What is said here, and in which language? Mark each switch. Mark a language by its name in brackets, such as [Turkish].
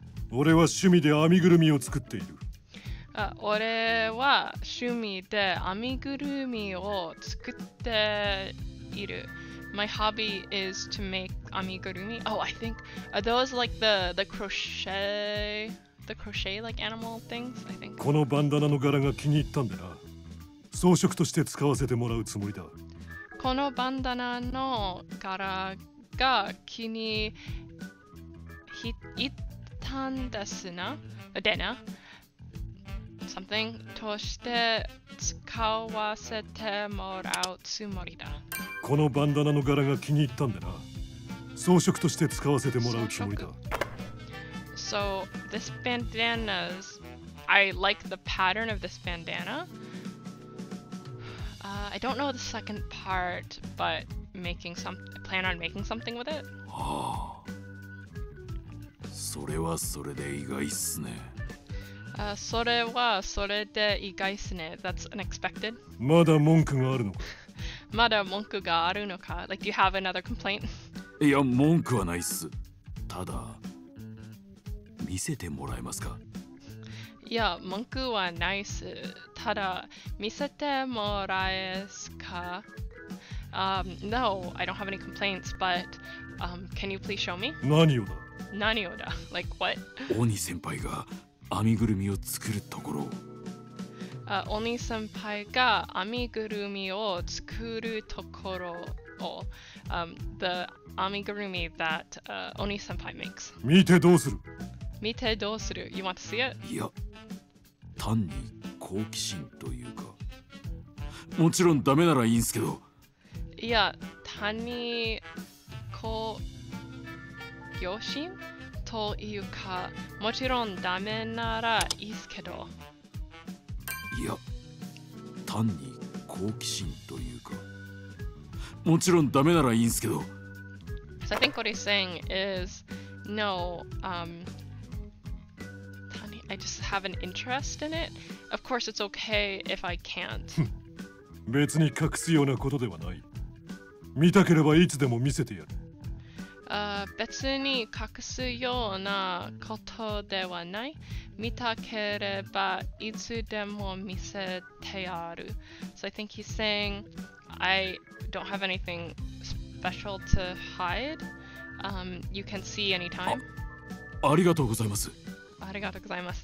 [Japanese] 俺は趣味で編みぐるみを作っている。俺は趣味で編みぐるみを作っている。 [English] My hobby is to make 編みぐるみ。 Oh, I think are those like the crochet? The crochet like animal things, I think. [Japanese] このバンダナの柄が気に入ったんでな。装飾として使わせてもらうつもりだ。このバンダナの柄が気に入ったんですな。でな。 something として使わせてもらうつもりだ。このバンダナの柄が気に入ったんでな。装飾として使わせてもらうつもりだ。 [English] So this bandana is, I like the pattern of this bandana. I don't know the second part, but making some, plan on making something with it. [Japanese] ああ、それはそれで意外っすね。それはそれで意外っすね。 [English] That's unexpected. [Japanese] まだ文句があるのか。まだ文句があるのか。 [English] Like, do you have another complaint? [Japanese] いや、文句はないっす。ただ、見せてもらえますか。いや、文句はないっす。ただ、見せてもらえすか。 [English] No, I don't have any complaints, but can you please show me? [Japanese] 何をだ。何をだ。 [English] Like, what? [Japanese] 鬼先輩が。編みぐるみを作るところ。お兄さん輩が編みぐるみを作るところを、 [English] the 編みぐるみ that お兄さん輩 makes。 [Japanese] 見てどうする？見てどうする ？ [English] You want to see it？ [Japanese] いや、単に好奇心というか、もちろんダメならいいんすけど。いや、単に好奇心？というか、もちろんダメならいいっすけど。いや、単に好奇心というか、もちろんダメならいいんすけど。 [English] So I think what he's saying is, no, I just have an interest in it. Of course, it's okay if I can't. [Japanese] 別に隠すようなことではない。見たければいつでも見せてやる。別に隠すようなことではない。見たければいつでも見せてやる。 [English] So I think he's saying I don't have anything special to hide. You can see anytime. [Japanese] ありがとうございます。ありがとうございます。